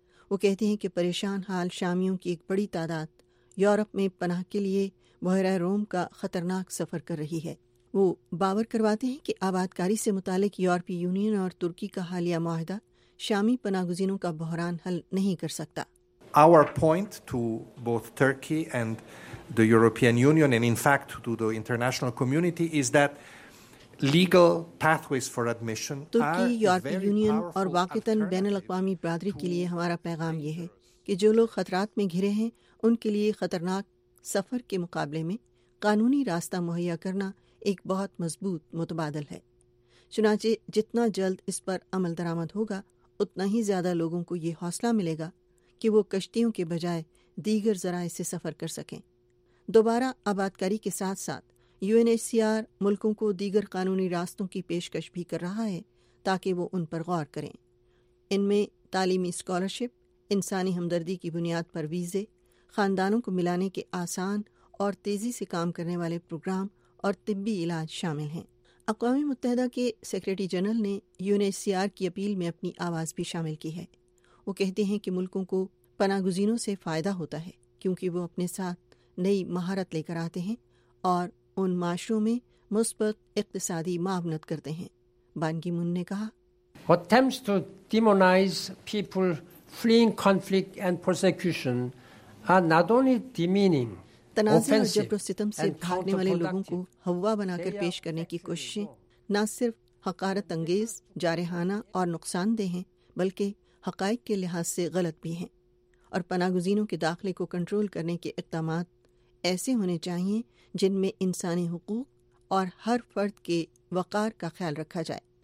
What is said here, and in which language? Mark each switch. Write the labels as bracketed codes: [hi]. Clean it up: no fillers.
[ur] وہ کہتے ہیں کہ پریشان حال شامیوں کی ایک بڑی تعداد یورپ میں پناہ کے لیے بحیرہ روم کا خطرناک سفر کر رہی ہے. وہ باور کرواتے ہیں کہ آباد کاری سے متعلق یورپی یونین اور ترکی کا حالیہ معاہدہ شامی پناہ گزینوں کا بحران حل نہیں کر سکتا. [en] Our point to both Turkey and the European Union, and in fact to the international community, is that legal pathways for admission are very powerful. [ur] ترکی یورپی یونین اور واقعتاً بین الاقوامی برادری کے لیے ہمارا پیغام یہ ہے کہ جو لوگ خطرات میں گھرے ہیں ان کے لیے خطرناک سفر کے مقابلے میں قانونی راستہ مہیا کرنا ایک بہت مضبوط متبادل ہے. چنانچہ جتنا جلد اس پر عمل درآمد ہوگا اتنا ہی زیادہ لوگوں کو یہ حوصلہ ملے گا کہ وہ کشتیوں کے بجائے دیگر ذرائع سے سفر کر سکیں. دوبارہ آباد کاری کے ساتھ ساتھ UNHCR ملکوں کو دیگر قانونی راستوں کی پیشکش بھی کر رہا ہے تاکہ وہ ان پر غور کریں. ان میں تعلیمی اسکالرشپ، انسانی ہمدردی کی بنیاد پر ویزے، خاندانوں کو ملانے کے آسان اور تیزی سے کام کرنے والے پروگرام اور طبی علاج شامل ہیں. اقوام متحدہ کے سیکرٹری جنرل نے UNHCR کی اپیل میں اپنی آواز بھی شامل کی ہے. وہ کہتے ہیں کہ ملکوں کو پناہ گزینوں سے فائدہ ہوتا ہے کیونکہ وہ اپنے ساتھ نئی مہارت لے کر آتے ہیں اور ان معاشروں میں مثبت اقتصادی معاونت کرتے ہیں. بان کی مون نے کہا، [en] Attempts to demonize people fleeing conflict and persecution are not only demeaning, [ur] تنازع اور جبر و ستم سے بھاگنے والے لوگوں کو ہوا بنا کر پیش کرنے کی کوششیں نہ صرف حقارت انگیز، جارحانہ اور نقصان دہ ہیں بلکہ حقائق کے لحاظ سے غلط بھی ہیں. اور پناہ گزینوں کے داخلے کو کنٹرول کرنے کے اقدامات ایسے ہونے چاہیے جن میں انسانی حقوق اور ہر فرد کے وقار کا خیال رکھا جائے.